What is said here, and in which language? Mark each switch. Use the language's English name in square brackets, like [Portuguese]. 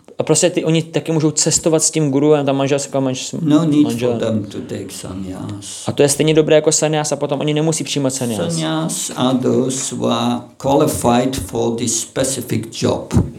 [Czech] A prostě ty oni taky můžou cestovat s tím guruem, tam manželská manželem. [English] No need for them to take sannyas. [Czech] A to je stejně dobré jako sannyas a potom oni nemusí přijímat sannyas. [English] Sannyas are those who are qualified for this specific job.